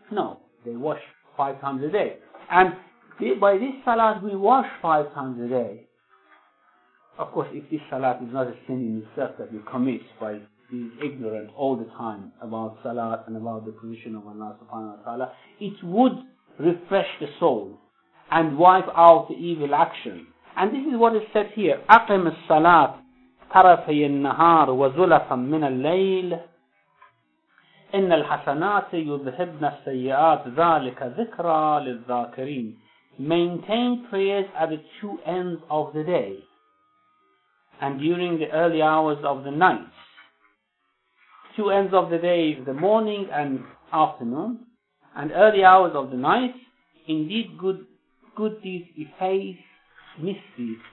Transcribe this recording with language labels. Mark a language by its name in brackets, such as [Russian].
[English] No, they wash 5 times a day. And by this salat we wash 5 times a day. Of course, if this salat is not a sin in itself that you commit by being ignorant all the time about salat and about the position of Allah subhanahu wa ta'ala, it would refresh the soul and wipe out the evil action. And this is what is said here: [Arabic] أقم الصلاة طرفي النهار وزلفا من الليل إن الحسنات يذهبن السيئات ذلك ذكرى للذاكرين. [English] Maintain prayers at the 2 ends of the day and during the early hours of the night. 2 ends of the day, the morning and afternoon, and early hours of the night. Indeed, good deeds efface misdeeds.